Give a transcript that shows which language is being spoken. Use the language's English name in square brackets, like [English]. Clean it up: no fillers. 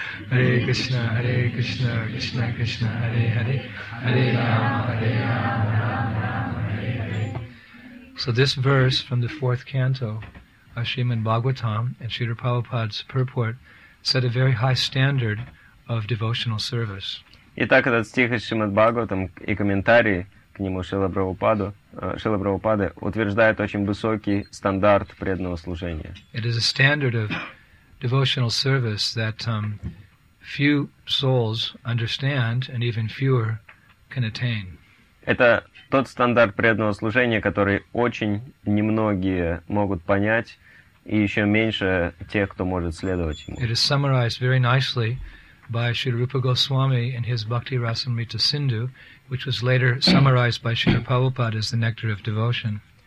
[Sanskrit] Харе Кришна, Харе Кришна, Кришна Кришна, Харе Харе, Харе Рама, Харе Рама. [English] So this verse from the fourth canto of Srimad Bhagavatam and Srila Prabhupada's purport set a very high standard of devotional service. [Russian] Итак, этот стих из Шримад Бхагаватам и комментарии к нему Шрила Прабхупады утверждает очень высокий стандарт преданного служения. [English] It is a standard of devotional service that few souls understand and even fewer can attain. [Russian] Это тот стандарт преданного служения, который очень немногие могут понять, и еще меньше тех, кто может следовать ему. [English] It is summarized very nicely by Śrīla Rūpa Gosvāmī in his Bhakti Rasamrita Sindhu, which was later summarized by Śrīla Prabhupāda as the Nectar of Devotion.